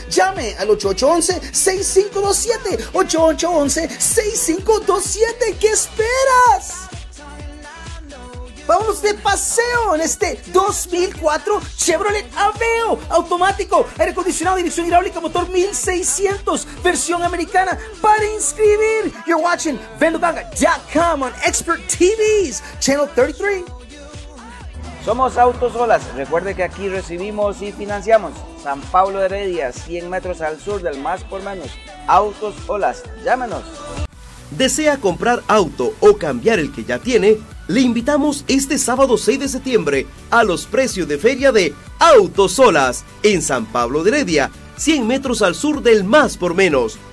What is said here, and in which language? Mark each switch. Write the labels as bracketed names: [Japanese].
[Spanish] Llame al 8811-6527, 8811-6527. ¿Qué esperas? ¡Vamos de paseo en este 2004 Chevrolet Aveo! Automático, aire acondicionado, dirección hidráulica, motor 1600, versión americana. ¡Para inscribir! [English] You're watching Vendoganga.com on Expert TVs, Channel 33. [Spanish] Somos Autosolas. Recuerde que aquí recibimos y financiamos San Pablo de Heredia, 100 metros al sur del Más por Menos. Autosolas, llámenos. ¿Desea comprar auto o cambiar el que ya tiene? Le invitamos este sábado 6 de septiembre a los precios de feria de Autosolas en San Pablo de Heredia, 100 metros al sur del Más por Menos.